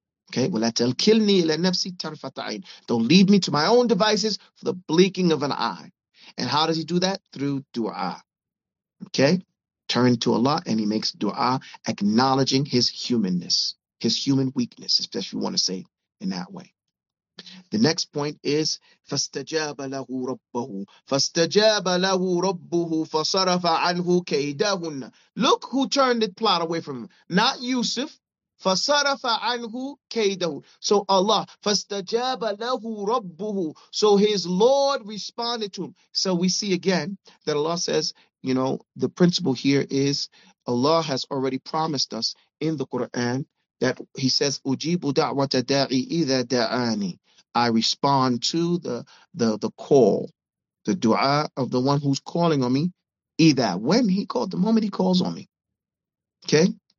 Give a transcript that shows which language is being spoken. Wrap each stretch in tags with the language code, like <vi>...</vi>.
<en>Okay, well, that'll kill me, let nafsi tarfata'in. Don't leave me to my own devices for the blinking of an eye. And how does he do that? Through dua. Okay, turn to Allah and he makes dua, acknowledging his humanness, his human weakness, especially if you want to say in that way. The next point is</en> <ar>فَاسْتَجَابَ لَهُ رَبَّهُ فَاسْتَجَابَ لَهُ رَبُّهُ فَصَرَفَ عَنْهُ كَيْدَهُنَّ.</ar> <en>Look who turned the plot away from him. Not Yusuf.</en> <ar>فَصَرَفَ عَنْهُ كَيْدَهُ.</ar> <en>So Allah,</en> <ar>فَاسْتَجَابَ لَهُ رَبُّهُ.</ar> <en>So his Lord responded to him. So we see again that Allah says, you know, the principle here is Allah has already promised us in the Quran that he says,</en> <ar>أُجِيبُ دَعْوَةَ دَاعِي إِذَا دَعَانِي.</ar> <en>I respond to the call, the dua of the one who's calling on me, إِذَا, when he called, the moment he calls on me. Okay?</en>